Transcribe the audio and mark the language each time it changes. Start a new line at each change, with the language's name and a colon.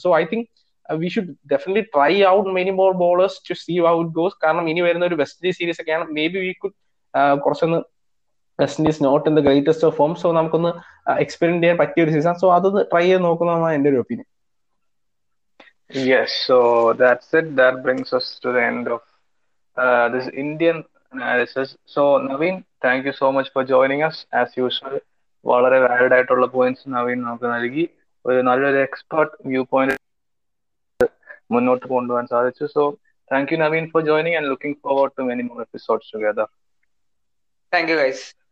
English: So I think we should definitely try out many more bowlers to see how it goes.
Malayalam: കാരണം ഇനി വരുന്ന ഒരു west Indies series ഒക്കെയാണ്, may be we could കുറച്ചൊന്ന് west Indies
English: Not in the greatest of form.
Malayalam: So നമുക്കൊന്ന് experiment ചെയ്യാൻ പറ്റിയ ഒരു സീസൺ, സോ അത് ട്രൈ ചെയ്ത് നോക്കുന്നതാണ് എന്റെ ഒരു opinion.
English: Yes, so that's it. That brings us to the end of this Indian analysis. So, Naveen, thank you so much for joining us. As usual,
Malayalam: വളരെ വാലിഡ് ആയിട്ടുള്ള പോയിന്റ്സ് നവീൻ നമുക്ക് നൽകി, ഒരു നല്ലൊരു എക്സ്പെർട്ട് വ്യൂ പോയിന്റ് മുന്നോട്ട് കൊണ്ടുപോകാൻ സാധിച്ചു.
English: So thank you Naveen for joining and looking forward to many more episodes together. Thank you guys.